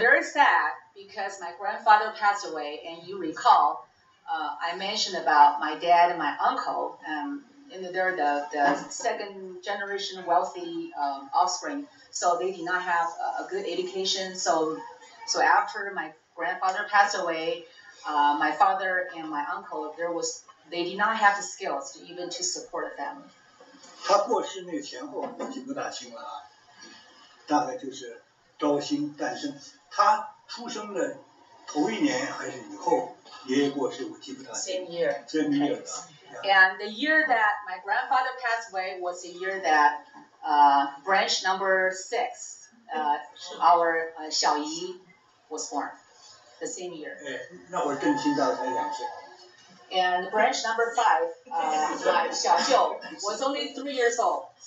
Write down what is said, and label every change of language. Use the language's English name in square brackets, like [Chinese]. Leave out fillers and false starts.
[English] very sad because my grandfather passed away, and you recall, I mentioned about my dad and my uncle, and they're the second generation wealthy offspring. So they did not have a good education. So after my grandfather passed away. My father and my uncle, they did not have the skills to even to support them. [Chinese] 他过世那前后，我记不大清了啊，大概就是朝夕诞生。他出生的头一年还是以后，爷爷过世，我记不大清。 [English] Same year. Same year. Okay. And the year that my grandfather passed away was the year that branch number six, our Xiao Yi, was born. The same year. [Chinese] 哎，那会儿更新到才两岁。 [English] And branch number five, 小舅 was only 3 years old.